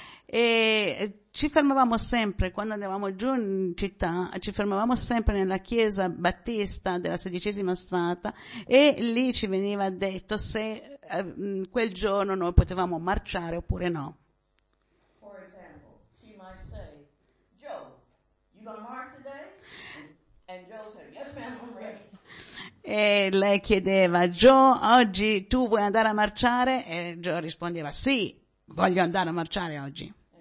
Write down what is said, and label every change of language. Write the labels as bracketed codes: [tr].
[it] E ci fermavamo sempre, quando andavamo giù in città, ci fermavamo sempre nella chiesa battista della 16ª strada, e lì ci veniva detto se quel giorno noi potevamo marciare oppure no. [en] For example, she might say, Joe, you gonna march today? And Joe said, yes ma'am, I'm ready. [it] E lei chiedeva, Joe, oggi tu vuoi andare a marciare? E Joe rispondeva, sì, voglio andare a marciare oggi.